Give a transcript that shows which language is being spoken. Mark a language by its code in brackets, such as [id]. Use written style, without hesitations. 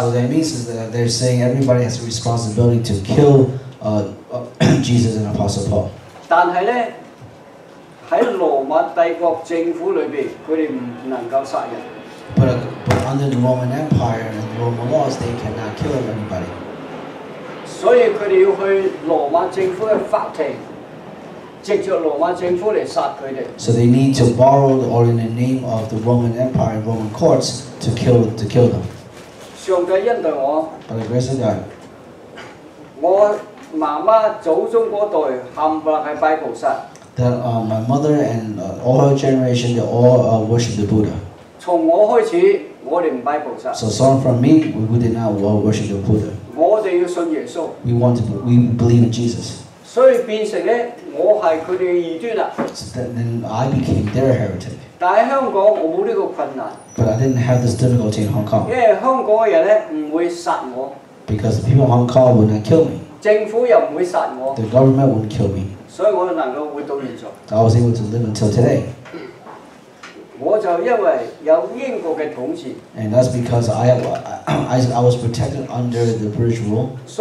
[en] So that means that they're saying everybody has a responsibility to kill Jesus and Apostle Paul. [yue] 但係咧，喺羅馬帝國政府裏邊，佢哋唔能夠殺人。 [en] But under the Roman Empire and the Roman laws, they cannot kill anybody. So they have to go to the Roman government, through the Roman government, to kill them. So they need to borrow or in the name of the Roman Empire and Roman courts to kill them. By the grace of God, my mother and all her generation, they all worship the Buddha. [yue] 從我開始，我哋唔拜菩薩。 [en] So from me, we did not worship the Buddha. [yue] 我哋要信耶穌。 [en] We want to, we believe in Jesus. [yue] 所以變成咧，我係佢哋異端啦。 [en] So then I became their heretic. [yue] 但喺香港，我冇呢個困難。 [en] But I didn't have this difficulty in Hong Kong. [yue] 因為香港嘅人咧唔會殺我。 [en] Because the people in Hong Kong would not kill me. [yue] 政府又唔會殺我。 [en] The government wouldn't kill me. [yue] 所以我能夠活到現在。 [en] I was able to live until today. [yue] 我就因為有英國嘅統治， [en] and that's because I was protected under the British rule.